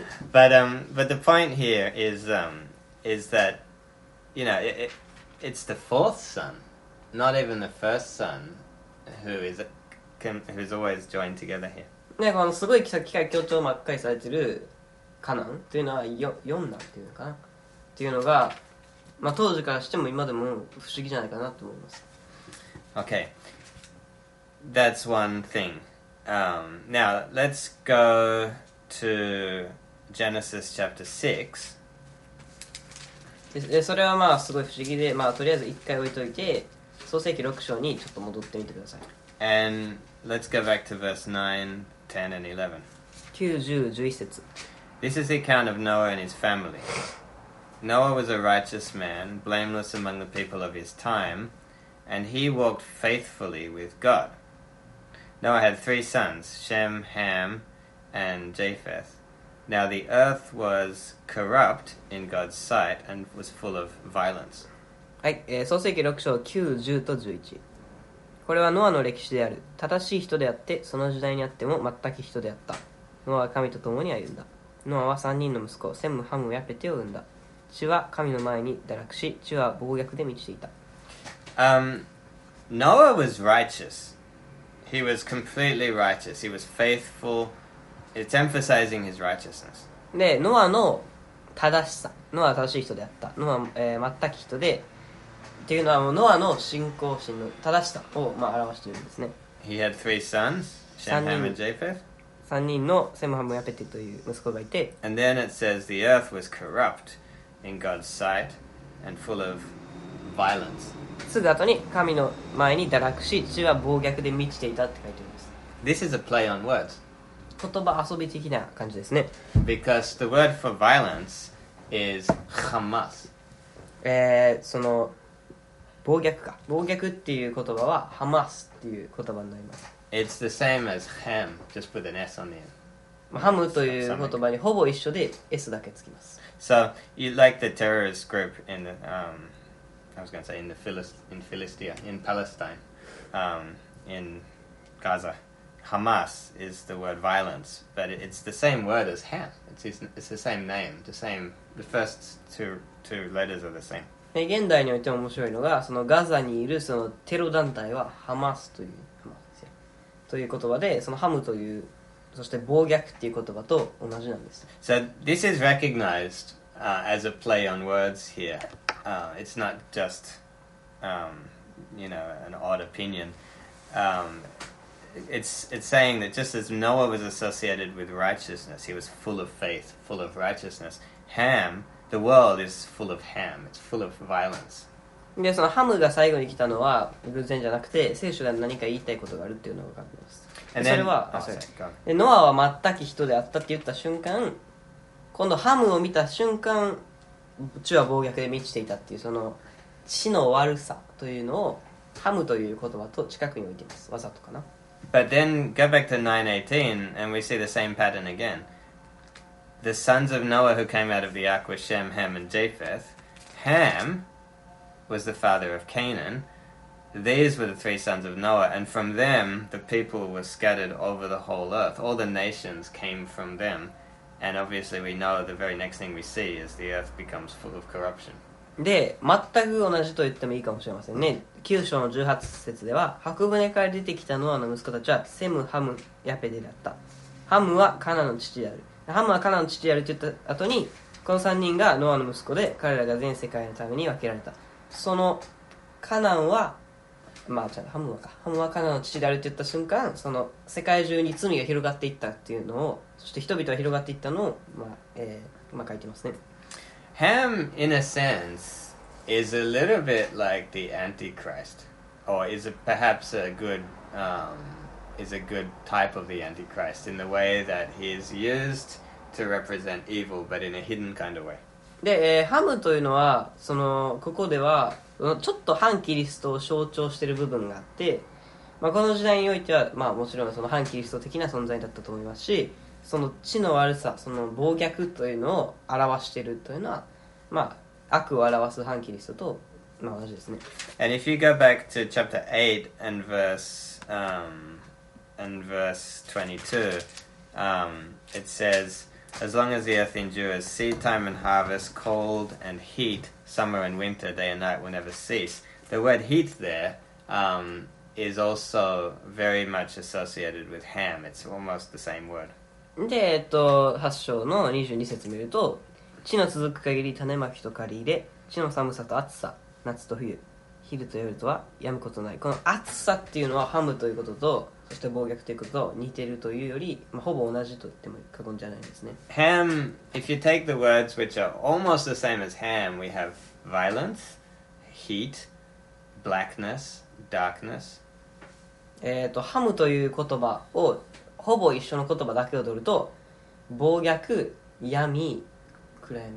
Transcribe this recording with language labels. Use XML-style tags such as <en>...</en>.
<en>But the point here is that, you know, it's the fourth son, not even the first son, who's always joined together here.</en> <ja>ね、このすごい機械強調ばっかりされてるカナンというのは四男っていうのかなっていうのが、当時からしても今でも不思議じゃないかなと思います。</ja> <en>Okay, that's one thing. Now let's go to Genesis chapter 6.</en> <ja>でそれはすごい不思議で、とりあえず一回置いといて、創世記6章にちょっと戻ってみてください。</ja> <en>And let's go back to verse 9, 10, and 11.</en> <ja>9, 10, 11節。</ja> <en>This is the account of Noah and his family. Noah was a righteous man, blameless among the people of his time, and he walked faithfully with God. Noah had three sons, Shem, Ham, and Japheth. Now the earth was corrupt in God's sight and was full of violence.</en> <ja>はい、創世記6章9、10と11。これはノアの歴史である。正しい人であって、その時代にあっても全く人であった。ノアは神と共に歩んだ。ノアは3人の息子、セム、ハム、ヤペテを産んだ。地は神の前に堕落し、地は暴虐で満ちていた。</ja> <en>Noah was righteous. He was completely righteous. He was faithful.It's emphasizing his righteousness.</en> <ja>で、ノアの正しさ、ノアは正しい人であった、ノアは、全く人でっていうのはもうノアの信仰心の正しさを、まあ、表しているんですね。</ja> <en>He had three sons, Shem, Ham, and Japheth.</en> <ja>三人のセムハムヤペテという息子がいて。</ja> <en>And then it says the earth was corrupt in God's sight and full of violence.</en> <ja>すぐ後に神の前に堕落し、地は暴虐で満ちていたって書いてあります。</ja> <en>This is a play on words.</en> <ja>言葉遊び的な感じですね。</ja> <en>Because the word for violence is Hamas.</en> <ja>その暴虐か。暴虐っていう言葉は Hamas っていう言葉になります。</ja> <en>It's the same as ham, just with an S on the end.</en> <ja>Ham という言葉にほぼ一緒で S だけつきます。</ja> <en>So, you like the terrorist group in the, I was going to say, in Philistia, in Palestine, in Gaza. Hamas is the word violence, but it's the same word as ham. It's the same name, the same, the first two letters are the same.</en> <ja>現代においても面白いのが、そのガザにいるそのテロ団体はハマスという、ハマスですよ。という言葉で、そのハムという、そして暴虐っていう言葉と同じなんです。</ja> <en>So this is recognized, as a play on words here. It's not just, you know, an odd opinion. It's saying that just as Noah was associated with righteousness, he was full of faith, full of righteousness, Ham,The world is full of ham. It's full of violence.</en> <ja>で、そのハムが最後に来たのは偶然じゃなくて、聖書が何か言いたいことがあるっていうのが分かります。それは、で、ノアは全く人であったって言った瞬間、今度ハムを見た瞬間、地は暴虐で満ちていたっていうその地の悪さというのをハムという言葉と近くに置いています。わざとかな。</ja> <en>But then go back to 9:18 and we see the same pattern again. The sons of Noah who came out of the ark were Shem, Ham, and Japheth. Ham was the father of Canaan. These were the three sons of Noah, and from them the people were scattered over the whole earth. All the nations came from them. And obviously we know the very next thing we see is the earth becomes full of corruption.</en> <ja>で、全く同じと言ってもいいかもしれませんね。9章の18節では、白船から出てきたノアの息子たちはセム、ハム、ヤペデだった。ハムはカナの父である。ハムはカナの父であると言った後に、この3人がノアの息子で、彼らが全世界のために分けられた。そのカナンは、まあ、じゃあハムはか。ハムはカナの父であると言った瞬間、その世界中に罪が広がっていったっていうのを、そして人々が広がっていったのを、まあ、書いてますね。</ja> <en>Ham, in a sense, is a little bit like the Antichrist, or is it perhaps a good, is a good type of the Antichrist in the way that he is used to represent evil, but in a hidden kind of way.</en> <ja>で、ハムというのは、その、ここでは、ちょっと反キリストを象徴している部分があって、まあ、この時代においては、まあ、もちろんその反キリスト的な存在だったと思いますし、その地の悪さ、その暴虐というのを表しているというのは、まあ、悪を表す反キリストと、まあ、同じですね。</ja> <en>And if you go back to chapter 8 and verse 22, it says, As long as the earth endures, seed time and harvest, cold and heat, summer and winter, day and night will never cease. The word heat there, is also very much associated with ham. It's almost the same word.</en> <ja>で、8章の22節見ると、地の続く限り種まきと刈り入れ、地の寒さと暑さ、夏と冬、昼と夜とは止むことない。この暑さっていうのはハムということと、そして暴虐ということと似ているというより、まあ、ほぼ同じと言っても過言じゃないですね。</ja> <en>Ham, if you take the words which are almost the same as ham, we have violence, heat, blackness, darkness.</en> <ja>ハムという言葉をほぼ一緒の言葉だけを取ると、暴虐、闇、暗闇、</ja>